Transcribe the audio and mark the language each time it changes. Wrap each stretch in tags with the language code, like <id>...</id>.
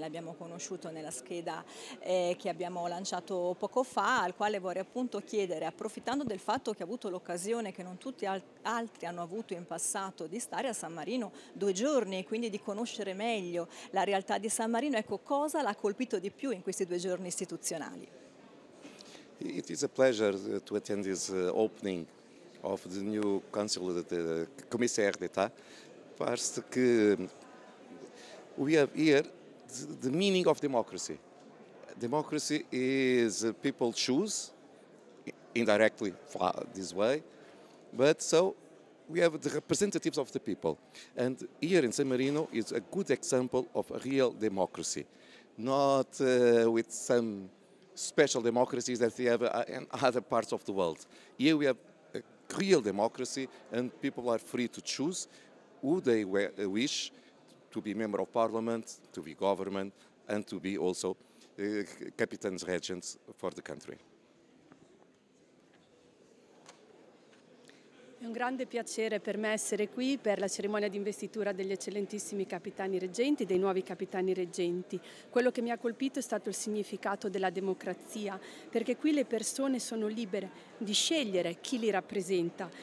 <it>L'abbiamo conosciuto nella scheda che abbiamo lanciato poco fa, al quale vorrei appunto chiedere, approfittando del fatto che ha avuto l'occasione che non tutti altri hanno avuto in passato di stare a San Marino due giorni e quindi di conoscere meglio la realtà di San Marino, ecco, cosa l'ha colpito di più in questi due giorni istituzionali?</it> <en>It is a pleasure to attend this opening of the new council, the commissaire d'etat. First, we have here the meaning of democracy. Democracy is people choose indirectly this way, but so we have the representatives of the people. And here in San Marino is a good example of a real democracy, not with some special democracies that they have in other parts of the world. Here we have real democracy, and people are free to choose who they wish to be member of parliament, to be government, and to be also capitans regents for the country.</en> <it>È un grande piacere per me essere qui per la cerimonia di investitura degli eccellentissimi capitani reggenti, dei nuovi capitani reggenti. Quello che mi ha colpito è stato il significato della democrazia, perché qui le persone sono libere di scegliere chi li rappresenta.</it>